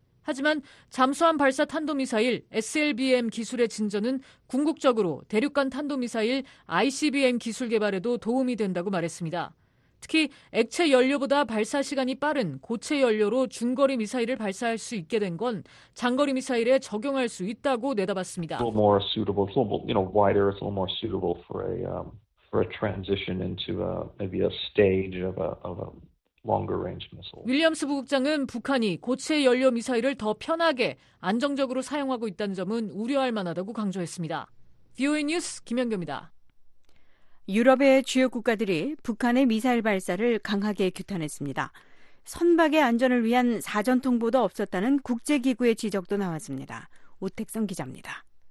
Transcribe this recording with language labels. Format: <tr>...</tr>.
<ko>하지만 잠수함 발사 탄도미사일 SLBM 기술의 진전은 궁극적으로 대륙간 탄도미사일 ICBM 기술 개발에도 도움이 된다고 말했습니다. 특히 액체 연료보다 발사 시간이 빠른 고체 연료로 중거리 미사일을 발사할 수 있게 된 건 장거리 미사일에 적용할 수 있다고 내다봤습니다.</ko> <en>It's a little more suitable, it's a little more, you know, wider, it's a little more suitable for a transition into a, maybe a stage of a longer range missile.</en> <ko>윌리엄스 부국장은 북한이 고체 연료 미사일을 더 편하게 안정적으로 사용하고 있다는 점은 우려할 만하다고 강조했습니다. VOA 뉴스 김연경입니다. 유럽의 주요 국가들이 북한의 미사일 발사를 강하게 규탄했습니다. 선박의 안전을 위한 사전 통보도 없었다는 국제기구의 지적도 나왔습니다. 오택성 기자입니다.</ko>